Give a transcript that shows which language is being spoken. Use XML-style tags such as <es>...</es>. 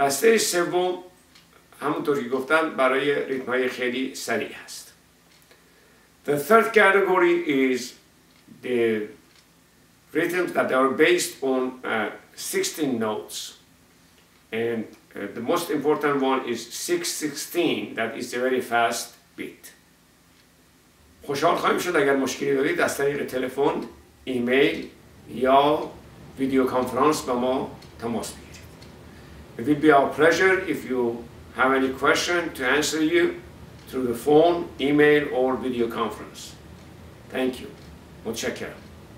<fa>دسته سوم همونطور که گفتم برای ریتم های خیلی سریع هست.</fa> <en>The third category is the rhythms that are based on 16 notes. And the most important one is 6-16, that is a very fast beat.</en> <fa>خوشحال خواهیم شد اگر مشکلی دارید از طریق تلفن، ایمیل یا ویدیو کانفرانس با ما تماس بگیرید.</fa> <en>It will be our pleasure if you have any question to answer you through the phone, email, or video conference. Thank you.</en> <fa>متشکرم.</fa>